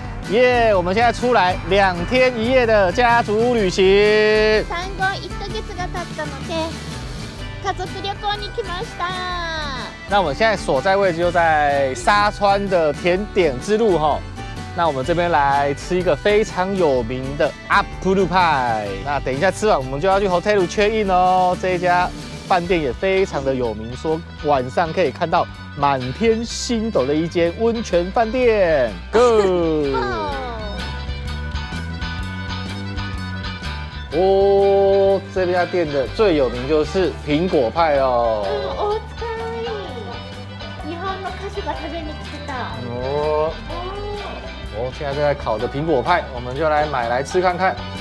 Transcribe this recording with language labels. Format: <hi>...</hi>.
<zh>耶、yeah, 我们现在出来两天一夜的家族旅行。</zh> <ja>産後1ヶ月が経ったので家族旅行に来ました。</ja> <zh>那我们现在所在位置就在沙川的甜点之路哈，那我们这边来吃一个非常有名的 apple pie。那等一下吃完我们就要去</zh> <en>hotel check in</en> <zh>哦。这一家饭店也非常的有名，说晚上可以看到满天星斗的一间温泉饭店。 Go！哦，这家店的最有名就是苹果派哦。</zh> <ja>お疲れ。日本の歌手が食べに来てた。</ja> <zh>哦，现在正在烤的苹果派，我们就来买来吃看看。</zh>